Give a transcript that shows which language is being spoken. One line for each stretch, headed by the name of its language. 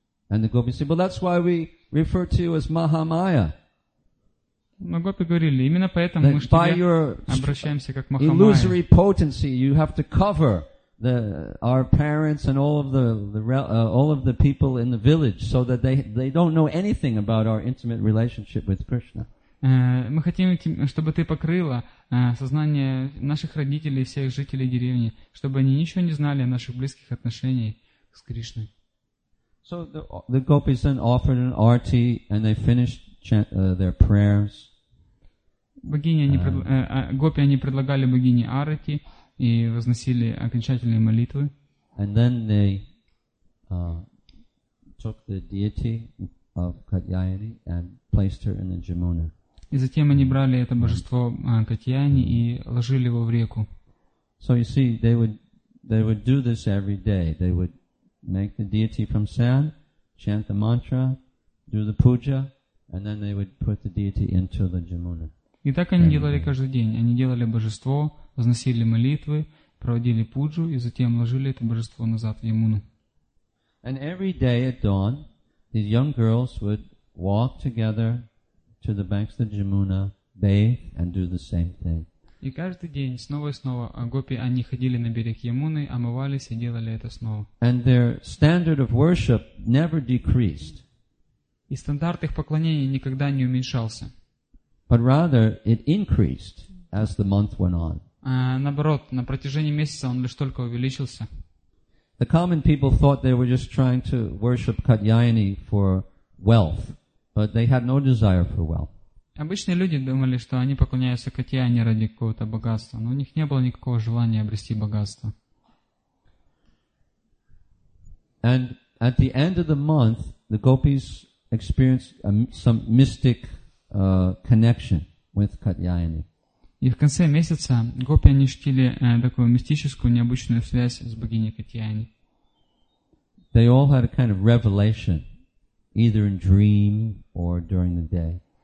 English: And the gopis said, well, that's why we refer to you as Mahamaya.
Russian: Но гопи говорили, именно поэтому мы к тебе обращаемся как Махамая.
English: Illusory potency, you have to cover the our parents and all of the people in the village so that they don't know anything about our intimate relationship with Krishna.
Russian: Мы хотим, чтобы ты покрыла сознание наших родителей, всех жителей деревни, чтобы они ничего не знали о наших близких отношениях с Кришной.
English: So the gopis then offered an arti and they finished their prayers.
Russian: Гопи они предлагали богине арти и возносили окончательные молитвы.
English: And then they took the deity of Katyayani and placed her in the Jamuna.
Russian: И затем они брали это божество Катьяни и ложили его в реку.
English: So you see, they would do this every day. They would make the deity from sand, chant the mantra, do the puja, and then they would put the deity into the Jamuna.
Russian: И так они делали каждый день. Они делали божество, возносили молитвы, проводили пуджу и затем ложили это божество назад в Ямуну.
English: And every day at dawn, these young girls would walk together to the banks of the Jamuna, bathe, and do the same thing.
Russian: И каждый день снова и снова гопи они ходили на берег Ямуны, омывались и делали это снова.
English: And their standard of worship never decreased.
Russian: И стандарт их поклонения никогда не уменьшался.
English: But rather it increased as the month went on.
Russian: Наоборот, на протяжении месяца он лишь только увеличился.
English: The common people thought they were just trying to worship Katyayani for wealth, but they had no desire for wealth.
Russian: Обычные люди думали, что они поклоняются Катьяне ради какого-то богатства, но у них не было никакого желания обрести богатство.
English: And at the end of the month, the gopis experienced some mystic connection with Katyayani.
Russian: И в конце месяца гопи они ощутили такую мистическую, необычную связь с богиней Катьяни.
English: They all had a kind of revelation, either in dream or during the day.